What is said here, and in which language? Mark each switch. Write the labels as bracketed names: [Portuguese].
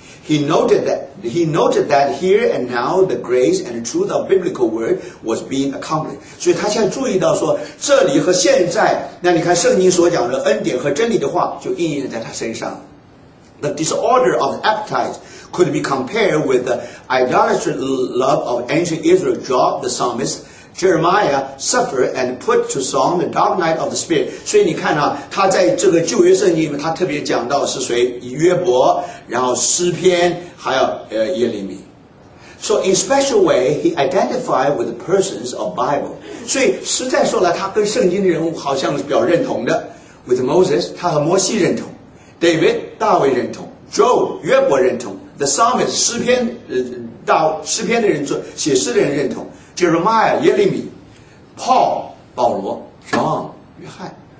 [English] He noted that here and now the grace and truth of biblical word was being accomplished。 [Chinese] 所以他现在注意到说，这里和现在，那你看圣经所讲的恩典和真理的话就应验在他身上。 [English] The disorder of appetite could be compared with the idolatrous love of ancient Israel. Job, the psalmist. Jeremiah suffered and put to song the dark night of the spirit。 [Chinese] 所以你看啊，他在这个旧约圣经里面他特别讲到是谁，约伯，然后诗篇，还有耶利米。 [English] So in special way he identified with the persons of Bible。 [Chinese] 所以实在说来，他跟圣经的人物好像是比较认同的。 With Moses 他和摩西认同， David 大卫认同， Job 约伯认同， The psalmist 诗篇的人写诗的人认同，Jeremiah 耶利米， Paul 保罗， John 约翰。